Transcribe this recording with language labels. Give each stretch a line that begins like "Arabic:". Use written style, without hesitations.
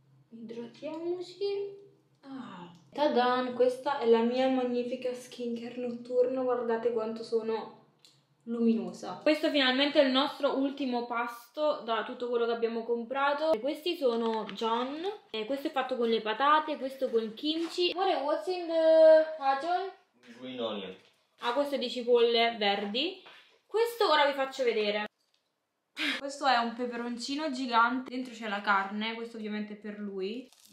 Italian: Idratiamoci. Tadan, questa è la mia magnifica skincare notturna, guardate quanto sono luminosa. Questo finalmente è il nostro ultimo pasto da tutto quello che abbiamo comprato. E questi sono John, e questo è fatto con le patate, questo con il kimchi. Amore,
English: what's in the pajol? Green onion.
Italian: Ah, questo è di cipolle verdi. Questo ora vi faccio vedere. Questo è un peperoncino gigante, dentro c'è la carne, questo ovviamente è per lui.